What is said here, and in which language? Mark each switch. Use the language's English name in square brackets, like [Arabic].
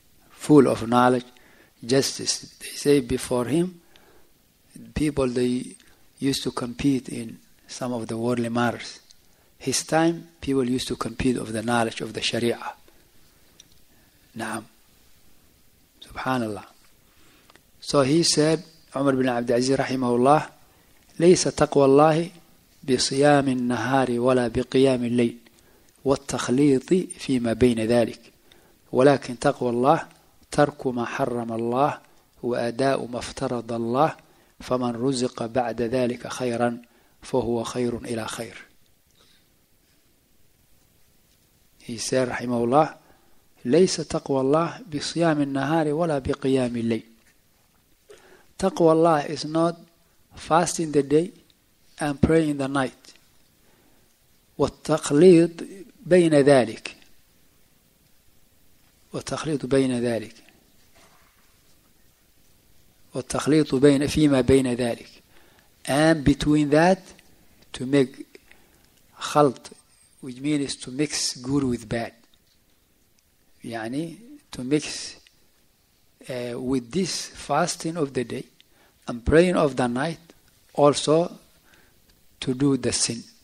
[English] Full of knowledge, justice. They say before him, people, they used to compete in some of the worldly matters. His time, people used to compete of the knowledge of the Sharia. [Arabic] Naam. Subhanallah. [English] So he said, [Arabic] Umar bin Abdul Aziz rahimahullah, ليس تقوى الله بصيام النهار ولا بقيام الليل والتخليط فيما بين ذلك ولكن تقوى الله ترك ما حرم الله وأداء ما افترض الله فمن رزق بعد ذلك خيرا فهو خير إلى خير. [English] He said, [Arabic] rahimahullah, ليس تقوى الله بصيام النهار ولا بقيام الليل. [English] Taqwa Allah is not fasting the day and praying the night. [Arabic] والتخليط بين ذلك. والتخليط بين ذلك. والتخليط بين فيما بين ذلك. [English] And between that, to make خلط, which means to mix good with bad. يعني to mix with this fasting of the day and praying of the night, also to do the sin.